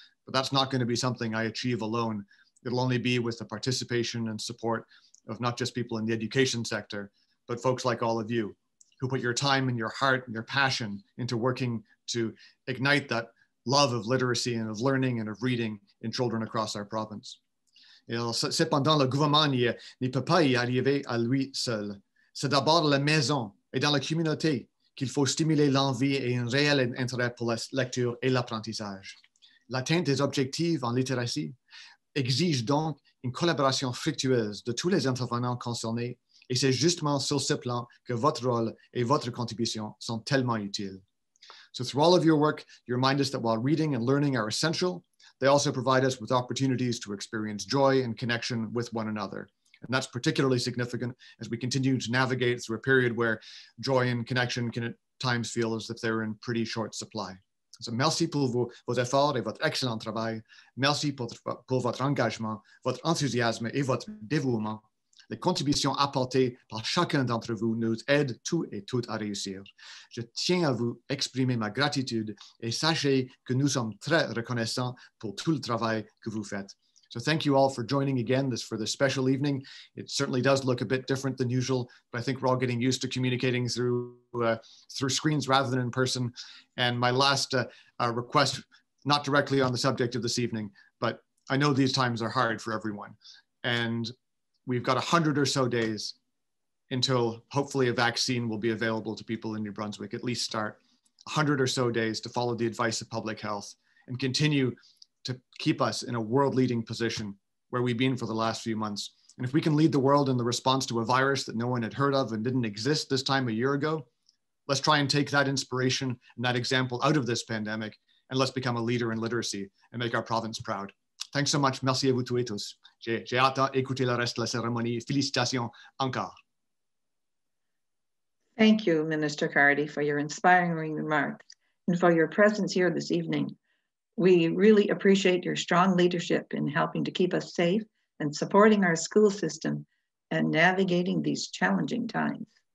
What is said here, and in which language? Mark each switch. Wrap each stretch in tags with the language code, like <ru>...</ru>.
<en>But that's not going to be something I achieve alone. It'll only be with the participation and support of not just people in the education sector, but folks like all of you, who put your time and your heart and your passion into working to ignite that love of literacy and of learning and of reading in children across our province.</en> <fr>Cependant, le gouvernement n'y peut pas y arriver à lui seul. C'est d'abord la maison et dans la communauté qu'il faut stimuler l'envie et un réel intérêt pour la lecture et l'apprentissage. L'atteinte des objectifs en littératie exige donc une collaboration fructueuse de tous les intervenants concernés. Et c'est justement sur ce plan que votre rôle et votre contribution sont tellement utiles.</fr> <en>So through all of your work, you remind us that while reading and learning are essential, they also provide us with opportunities to experience joy and connection with one another. And that's particularly significant as we continue to navigate through a period where joy and connection can at times feel as if they're in pretty short supply.</en> <fr>So merci pour vos efforts et votre excellent travail. Merci pour votre engagement, votre enthousiasme et votre dévouement. Les contributions apportées par chacun d'entre vous nous aident tous et toutes à réussir. Je tiens à vous exprimer ma gratitude et sachez que nous sommes très reconnaissants pour tout le travail que vous faites.</fr> <en>So thank you all for joining again this for this special evening. It certainly does look a bit different than usual, but I think we're all getting used to communicating through screens rather than in person. And my last request, not directly on the subject of this evening, but I know these times are hard for everyone. And we've got 100 or so days until hopefully a vaccine will be available to people in New Brunswick, at least start 100 or so days to follow the advice of public health and continue to keep us in a world-leading position where we've been for the last few months. And if we can lead the world in the response to a virus that no one had heard of and didn't exist this time a year ago, let's try and take that inspiration and that example out of this pandemic, and let's become a leader in literacy and make our province proud. Thanks so much.</en> <fr>Merci à vous tous. J'ai hâte à écouter le reste de la cérémonie. Félicitations encore.</fr> <en>Thank you, Minister Cardy, for your inspiring remarks and for your presence here this evening. We really appreciate your strong leadership in helping to keep us safe and supporting our school system and navigating these challenging times.</en>